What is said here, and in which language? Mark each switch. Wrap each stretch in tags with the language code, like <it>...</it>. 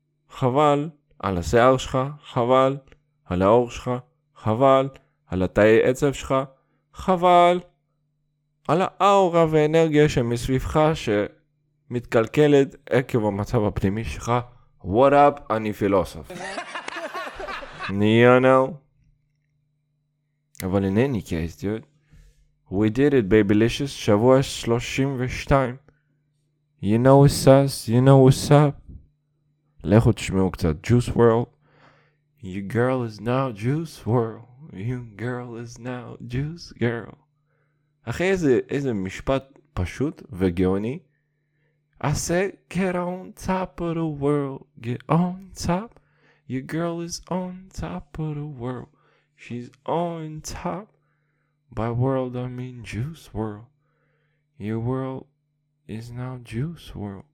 <he>חבל על השיער שלך, חבל על האור שלך, חבל על התאי עצב שלך, חבל על האורה ואנרגיה שמסביבך שמתקלקלת עקב המצב הפנימי שלך.</he> <en>What up,</en> <he>אני פילוסוף.</he> <en>You know?</en> <he>אבל</he> <en>in any case, dude, we did it, babylicious,</en> <he>שבוע 32.</he> <en>You know what's us, you know what's up.</en> <he>לכו תשמעו קצת, Juice WRLD.</he> <en>Your girl is now Juice WRLD. Your girl is now Juice WRLD.</en> <he>אחי, איזה משפט פשוט וגאוני.</he> <en>I said, get on top of the world. Get on top. Your girl is on top of the world. She's on top. By world I mean Juice WRLD. Your world is now Juice WRLD.</en>